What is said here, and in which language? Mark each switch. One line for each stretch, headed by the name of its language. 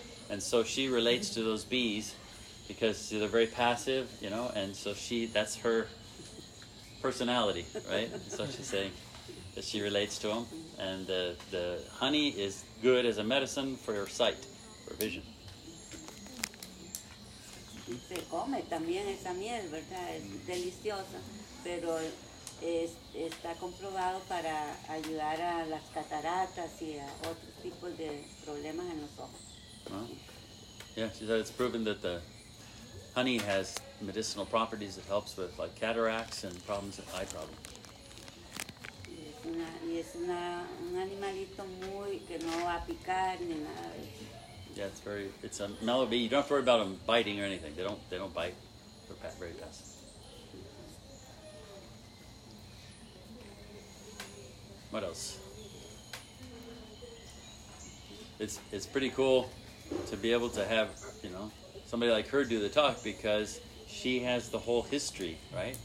English: And so she relates to those bees because they're very passive, you know. And so that's her personality, right? So she's saying that she relates to them. And the honey is good as a medicine for your sight, for vision.
Spanish: Se come también esa miel, ¿verdad? Es deliciosa, pero está comprobado para ayudar a las cataratas y a otros tipos de problemas en los ojos.
English: Well, yeah, she said it's proven that the honey has medicinal properties that helps with like cataracts and problems with eye problems.
Spanish: Y es un animalito muy que no va a picar ni nada de eso.
English: Yeah, it's a mellow bee. You don't have to worry about them biting or anything. They don't bite. They're very passive. What else? It's pretty cool to be able to have, you know, somebody like her do the talk because she has the whole history, right?